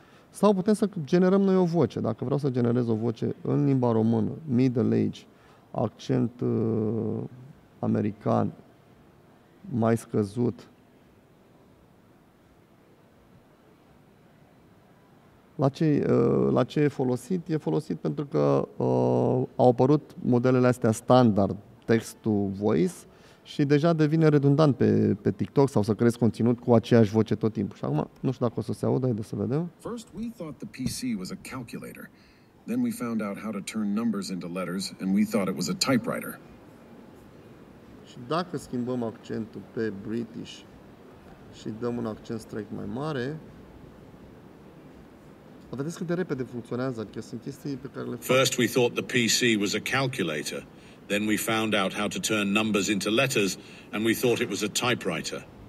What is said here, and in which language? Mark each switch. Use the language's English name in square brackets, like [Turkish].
[Romanian] Sau putem să generăm noi o voce. Dacă vreau să generez o voce în limba română, middle age, accent american mai scăzut, la ce e folosit? E folosit pentru că au apărut modelele astea standard, text-to voice, și deja devine redundant pe TikTok sau să creezi conținut cu aceeași voce tot timpul. Și acum, nu știu dacă o să se audă, haideți să vedem. [English] First we thought the PC was a calculator. Then we found out how to turn numbers into letters and we thought it was a typewriter. [Romanian] Și dacă schimbăm accentul pe British și dăm un accent strict mai mare, vedeți cât de repede funcționează, adică sunt chestii pe care le fac. [English] First we thought the PC was a calculator. Then we found out how to turn numbers into letters and we thought it was a typewriter.